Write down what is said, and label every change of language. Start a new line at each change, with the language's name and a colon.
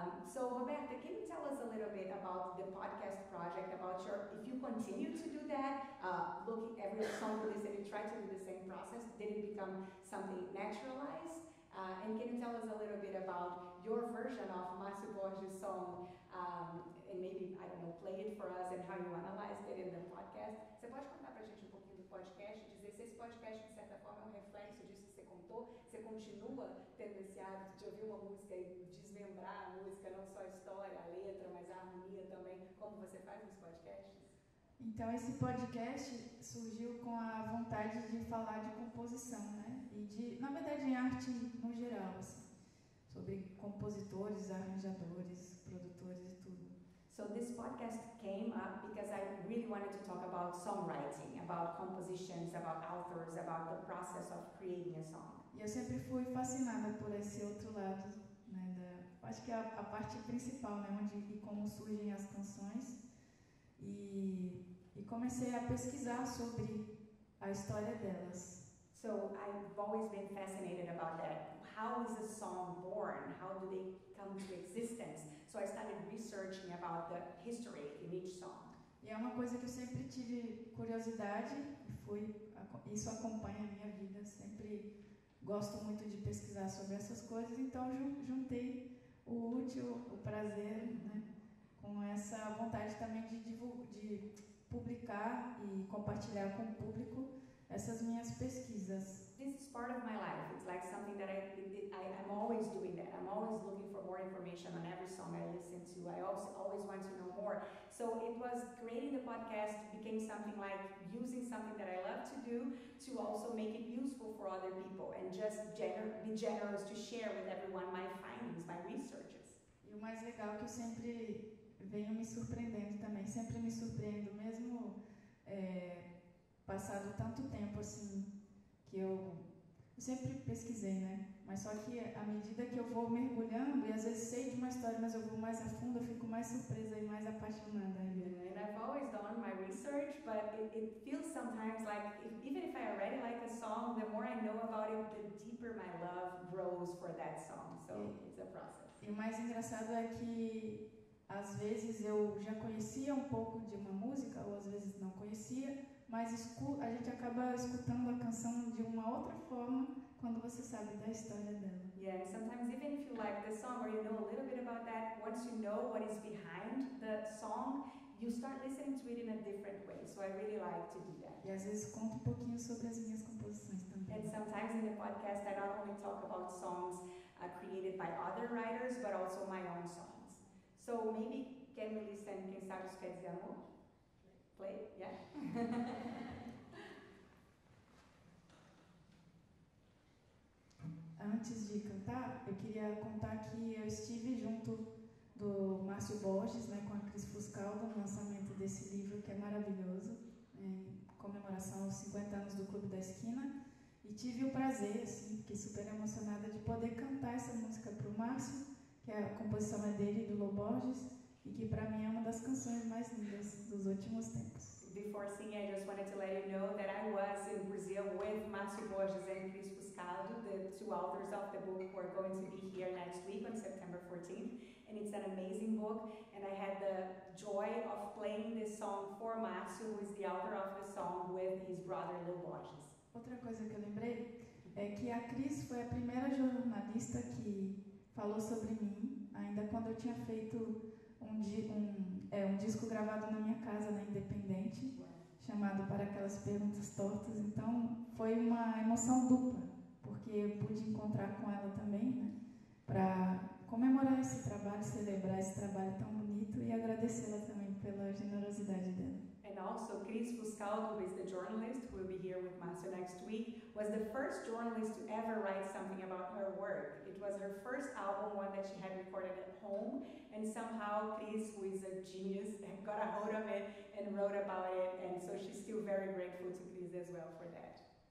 English: So Roberta, can you tell us a little bit about the podcast project, about your, if you continue to do that, looking every song you listen and try to do the same process, did it become something naturalized? And can you tell us a little bit about your version of Márcio Borges' song, and maybe, I don't know, play it for us and how you analyzed it in the podcast?
Portuguese: Você pode contar pra gente um pouquinho do podcast, dizer se esse podcast, de certa forma, é reflexo disso que você contou, você continua tendo esse hábito de ouvir uma música e desmembrar a música, não só a história, a letra, mas a harmonia também, como você faz nos podcasts? Então, esse podcast surgiu com a vontade de falar de composição, né? E de, na verdade, em arte no geral, assim, sobre compositores, arranjadores, produtores e tudo.
English: So this podcast came up because I really wanted to talk about songwriting, about compositions, about authors, about the process of creating a song.
Portuguese: E eu sempre fui fascinada por esse outro lado, né, acho que é a parte principal, né, onde e como surgem as canções. E comecei a pesquisar sobre a história delas.
English: So I've always been fascinated about that. How is a song born? How do they come to existence? So I started researching about the history in each song.
Portuguese: E é uma coisa que eu sempre tive curiosidade, isso acompanha a minha vida, sempre gosto muito de pesquisar sobre essas coisas, então juntei o útil, o prazer, né, com essa vontade também de publicar e compartilhar com o público essas minhas pesquisas.
English: This is part of my life. It's like something that I'm always doing that. I'm always looking for more information on every song I listen to. I also always want to know more. So it was creating the podcast became something like using something that I love to do to also make it useful for other people and just be generous to share with everyone my findings, my researches.
Portuguese: E o mais legal é que eu sempre venho me surpreendendo também. Sempre me surpreendo mesmo passado tanto tempo assim. Que eu sempre pesquisei, né? Mas só que à medida que eu vou mergulhando, e às vezes sei de uma história, mas eu vou mais a fundo, eu fico mais surpresa e mais apaixonada.
English: And I've always done my research, but it feels sometimes like, even if I already like a song, the more I know about it, the deeper my love grows for that song. So it's a process.
Portuguese: E o mais engraçado é que às vezes eu já conhecia um pouco de uma música, ou às vezes não conhecia, Mas a gente acaba escutando a canção de uma outra forma quando você sabe da história dela.
English: Yeah, sometimes even if you like the song or you know a little bit about that, once you know what is behind the song, you start listening to it in a different way. So I really like to do that.
Portuguese: E às vezes conto um pouquinho sobre as minhas composições também.
English: And sometimes in the podcast I not only talk about songs created by other writers, but also my own songs. So maybe can we listen to Quem Sabe Esquece de Amor? Play? Yeah?
Portuguese: Antes de cantar, eu queria contar que eu estive junto do Márcio Borges, né, com a Cris Fuscaldo, no lançamento desse livro, que é maravilhoso, em comemoração aos 50 anos do Clube da Esquina. E tive o prazer, assim, fiquei super emocionada de poder cantar essa música para o Márcio, que a composição é dele, do Lô Borges, e que para mim é uma das canções mais lindas dos últimos tempos.
English: Before singing, I just wanted to let you know that I was in Brazil with Márcio Borges and Cris Fuscaldo, the two authors of the book who are going to be here next week on September 14th. And it's an amazing book. And I had the joy of playing this song for Márcio, who is the author of the song, with his brother Lou Borges.
Portuguese: Outra coisa que eu lembrei é que a Cris foi a primeira jornalista que falou sobre mim, ainda quando eu tinha feito um disco gravado na minha casa, na Independente, chamado Para Aquelas Perguntas Tortas. Então, foi uma emoção dupla, porque eu pude encontrar com ela também, né, para comemorar esse trabalho, celebrar esse trabalho tão bonito e agradecê-la também pela generosidade dela.
English: And also, Cris Fuscaldo, who is the journalist, who will be here with Márcio next week, was the first journalist to ever write something about her work. It was her first album, one that she had recorded at home, and somehow Cris, who is a genius, got a hold of it and wrote about it, and so she's still very grateful to Cris as well for that.